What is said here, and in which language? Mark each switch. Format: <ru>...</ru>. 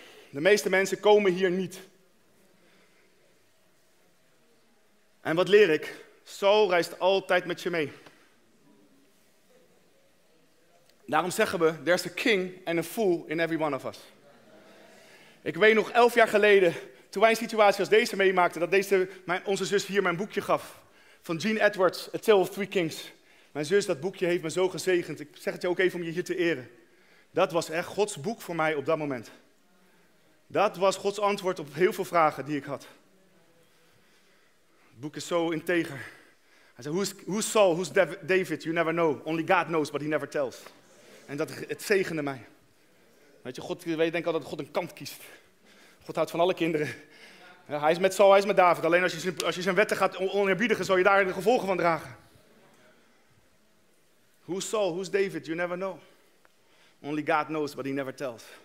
<nl>De meeste mensen komen hier niet. En wat leer ik? Saul reist altijd met je mee.</nl> <en>Daarom zeggen we, there's a king and a fool in every one of us.</en> <nl>Ik weet nog 11 jaar geleden, toen wij een situatie als deze meemaakten, dat onze zus hier mijn boekje gaf. Van Gene Edwards, A Tale of Three Kings. Mijn zus, dat boekje heeft me zo gezegend. Ik zeg het je ook even om je hier te eren. Dat was echt Gods boek voor mij op dat moment. Dat was Gods antwoord op heel veel vragen die ik had. Het boek is zo integer. Hij zei,</nl> <en>who's Saul, who's David, you never know. Only God knows, but he never tells.</en> <nl>En dat het zegende mij. Weet je, God, je denkt altijd dat God een kant kiest. God houdt van alle kinderen. Ja, hij is met Saul, hij is met David. Alleen als je zijn wetten gaat oneerbiedigen, zal je daar de gevolgen van dragen.</nl> <en>Who's Saul, who's David, you never know. Only God knows, but he never tells.</en>